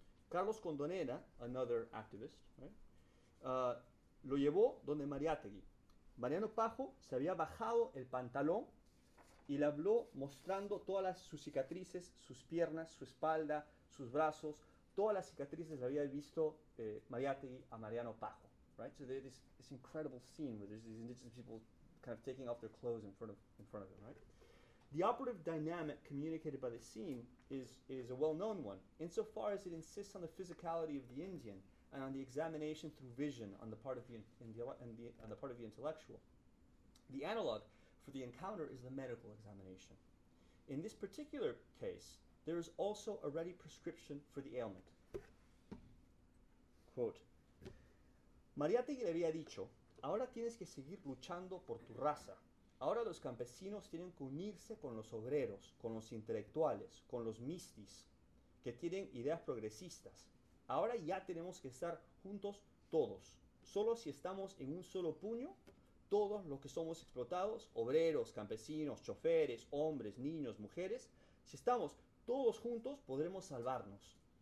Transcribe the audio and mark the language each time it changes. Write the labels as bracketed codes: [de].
[es] Carlos Condonera, [en] another activist, [es] lo llevó donde Mariátegui. Mariano Pajo se había bajado el pantalón y le habló mostrando todas sus cicatrices, sus piernas, su espalda, sus brazos. Todas las cicatrices le había visto Mariátegui a Mariano Pajo. [en] Right? So there's this incredible scene where there's these indigenous people kind of taking off their clothes in front of them, right? The operative dynamic communicated by the scene is a well-known one, insofar as it insists on the physicality of the Indian and on the examination through vision on the part of the intellectual. The analog for the encounter is the medical examination. In this particular case, there is also a ready prescription for the ailment. [es] Quote, Mariátegui le había dicho, ahora tienes que seguir luchando por tu raza. Ahora los campesinos tienen que unirse con los obreros, con los intelectuales, con los mistis, que tienen ideas progresistas. Ahora ya tenemos que estar juntos todos. Solo si estamos en un solo puño, todos los que somos explotados, obreros, campesinos, choferes, hombres, niños, mujeres, si estamos todos juntos, podremos salvarnos.